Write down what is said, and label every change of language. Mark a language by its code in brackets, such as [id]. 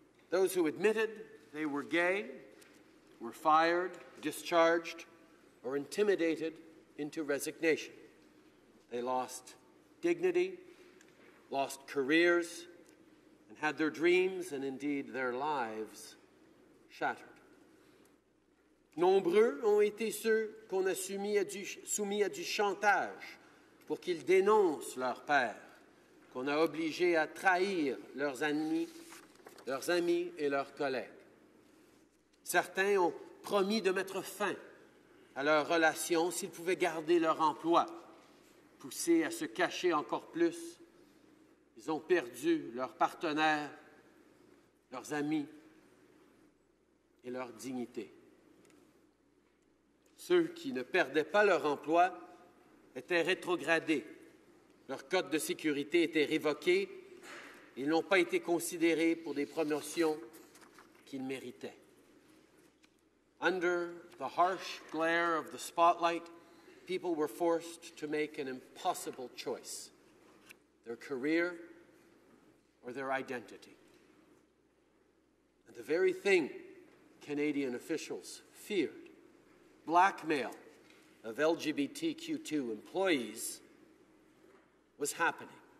[en] Those who admitted they were gay were fired, discharged, or intimidated into resignation. They lost dignity, lost careers, and had their dreams and indeed their lives shattered. [fr] Nombreux ont été ceux qu'on a soumis à du chantage pour qu'ils dénoncent leur père, qu'on a obligé à trahir leurs amis et leurs collègues. Certains ont promis de mettre fin à leurs relations s'ils pouvaient garder leur emploi. Poussés à se cacher encore plus, ils ont perdu leurs partenaires, leurs amis et leur dignité. Ceux qui ne perdaient pas leur emploi étaient rétrogradés. Leur code de sécurité était révoqué. Ils n'ont pas été considérés pour des promotions qu'ils méritaient. [en] Under the harsh glare of the spotlight, people were forced to make an impossible choice, their career or their identity. And the very thing Canadian officials feared, blackmail of LGBTQ2 employees, was happening.